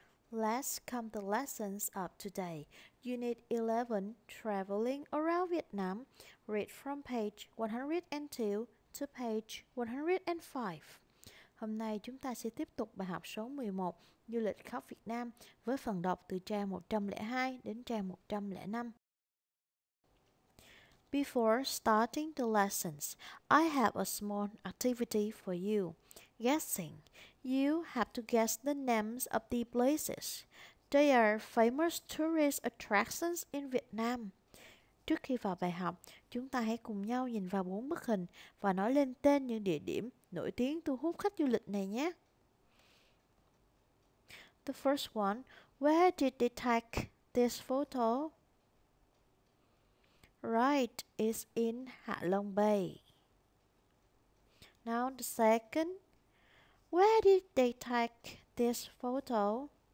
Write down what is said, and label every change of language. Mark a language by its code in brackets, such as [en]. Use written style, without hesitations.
[en] Let's come to lessons of today. Unit 11, Traveling Around Vietnam. Read from page 102 to page 105. [vi] Hôm nay chúng ta sẽ tiếp tục bài học số 11, Du lịch khắp Việt Nam, với phần đọc từ trang 102 đến trang 105. [en] Before starting the lessons, I have a small activity for you. Guessing. You have to guess the names of the places. They are famous tourist attractions in Vietnam. [vi] Trước khi vào bài học, chúng ta hãy cùng nhau nhìn vào bốn bức hình và nói lên tên những địa điểm nổi tiếng thu hút khách du lịch này nhé. [en] The first one, where did they take this photo? Right, it's in Hạ Long Bay. Now the second, where did they take this photo?